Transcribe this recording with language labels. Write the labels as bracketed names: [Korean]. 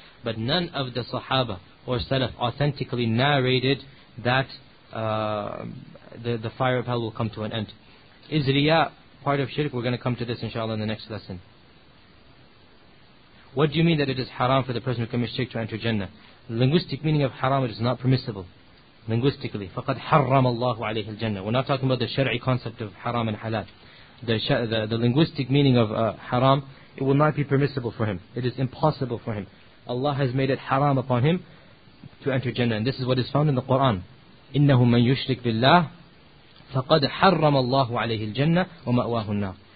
[English] But none of the Sahaba or Salaf authentically narrated that the fire of hell will come to an end. Is riya part of shirk? We're going to come to this inshallah in the next lesson. What do you mean that it is haram for the person who commits shirk to enter Jannah? The linguistic meaning of haram, it is not permissible. [Arabic] Linguistically, فَقَدْ حَرَّمَ اللَّهُ عَلَيْهِ الْجَنَّةِ. [English] We're not talking about the shari'i concept of haram and halal. The linguistic meaning of haram, it will not be permissible for him. It is impossible for him. Allah has made it haram upon him to enter Jannah. And this is what is found in the Quran. [Arabic] إِنَّهُ مَنْ يُشْرِكْ بِاللَّهِ فَقَدْ حَرَّمَ اللَّهُ عَلَيْهِ الْجَنَّةِ وَمَأْوَاهُ النَّارِ.